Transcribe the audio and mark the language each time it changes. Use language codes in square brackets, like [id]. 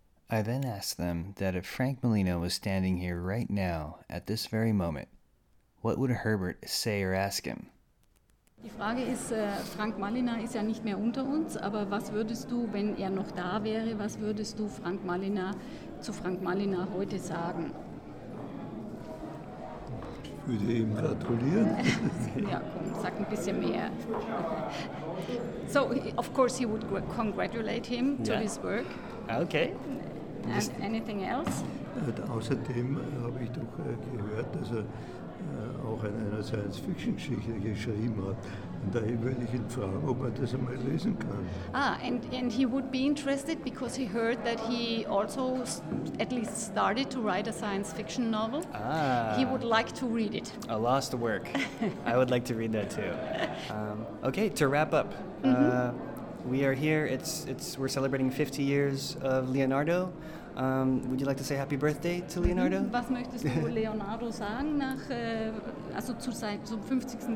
[en] I then asked them that if Frank Malina was standing here right now, at this very moment, what would Herbert say or ask him? [de] Die Frage ist, Frank Malina ist ja nicht mehr unter uns, aber was würdest du, wenn er noch da wäre, was würdest du zu Frank Malina heute sagen? Ich würde ihm gratulieren. Ja, komm, sag ein bisschen mehr. [en] So, of course he would congratulate him to his work. Okay. And anything else? [de] Und außerdem habe ich doch gehört, dass er auch in einer Science-Fiction-Geschichte geschrieben hat. Und daher würde ich ihn fragen, ob er das einmal lesen kann. [en] Ah, and he would be interested because he heard that he also at least started to write a science-fiction novel. Ah. He would like to read it. A lost work. I would like to read that too. Okay, to wrap up. We are here. We're celebrating 50 years of Leonardo. Would you like to say happy birthday to Leonardo? [de] Was möchtest du Leonardo sagen nach also zu seinem 50.